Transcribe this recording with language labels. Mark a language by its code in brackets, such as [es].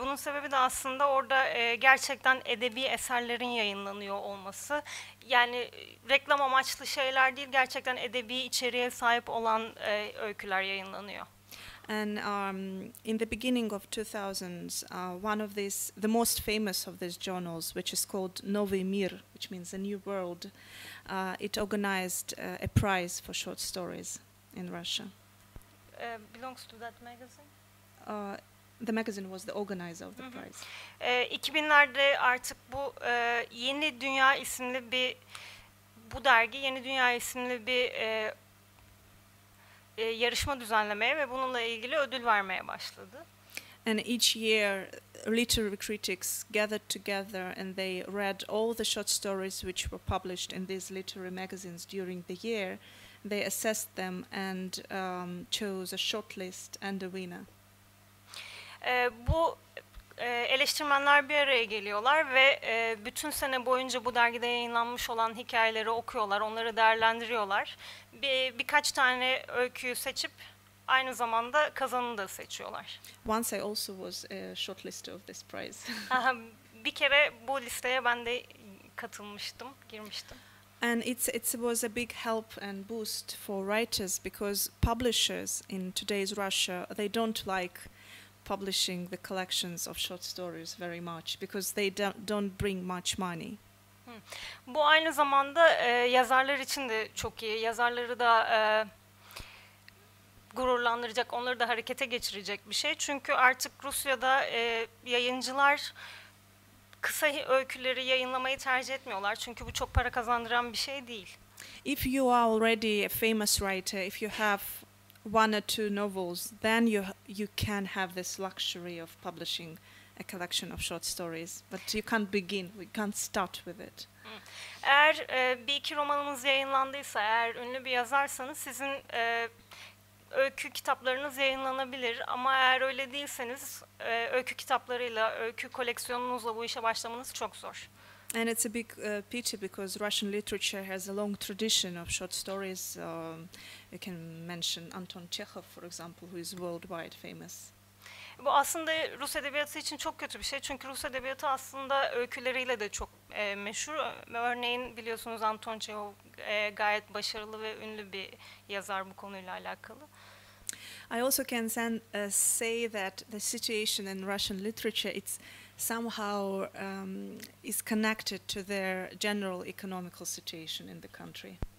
[tr] Bunun sebebi de aslında orada gerçekten edebi eserlerin yayınlanıyor olması. Yani reklam amaçlı şeyler değil, gerçekten edebi içeriğe sahip olan öyküler yayınlanıyor. [en] And in the beginning of 2000s, one of these, the most famous of these journals, which is called Novi Mir, which means the New World, it organized a prize for short stories in Russia. Belongs to that magazine? The magazine was the organizer of the prize. [tr] 2000'lerde artık bu Yeni Dünya isimli bir, bu dergi Yeni Dünya isimli bir yarışma düzenlemeye ve bununla ilgili ödül vermeye başladı. [en] And each year, literary critics gathered together and they read all the short stories which were published in these literary magazines during the year. They assessed them and chose a shortlist and a winner. [tr] Bu eleştirmenler bir araya geliyorlar ve bütün sene boyunca bu dergide yayınlanmış olan hikayeleri okuyorlar, onları değerlendiriyorlar. Birkaç tane öyküyü seçip aynı zamanda kazananı da seçiyorlar. [en] Once I also was a shortlisted of this prize. [tr] Bir kere bu listeye ben de katılmıştım, girmiştim. [en] And it was a big help and boost for writers because publishers in today's Russia, they don't like publishing the collections of short stories very much because they don't bring much money. [tr] Bu aynı zamanda yazarlar için de çok iyi. Yazarları da gururlandıracak, onları da harekete geçirecek bir şey. Çünkü artık Rusya'da yayıncılar kısa öyküleri yayınlamayı tercih etmiyorlar. Çünkü bu çok para kazandıran bir şey değil. [en] If you are already a famous writer, if you have one or two novels, then you can have this luxury of publishing a collection of short stories, but you can't begin, we can't start with it. [tr] Eğer bir iki romanınız yayınlandıysa, eğer ünlü bir yazarsanız, sizin öykü kitaplarınız yayınlanabilir. Ama eğer öyle değilseniz, öykü kitaplarıyla, öykü koleksiyonunuzla bu işe başlamanız çok zor. [en] And it's a big pity because Russian literature has a long tradition of short stories. You can mention Anton Chekhov, for example, who is worldwide famous. [tr] Bu aslında Rus edebiyatı için çok kötü bir şey. Çünkü Rus edebiyatı aslında öyküleriyle de çok meşhur. Örneğin biliyorsunuz Anton Chekhov gayet başarılı ve ünlü bir yazar bu konuyla alakalı. [en] I also can say that the situation in Russian literature, it's somehow is connected to their general economical situation in the country.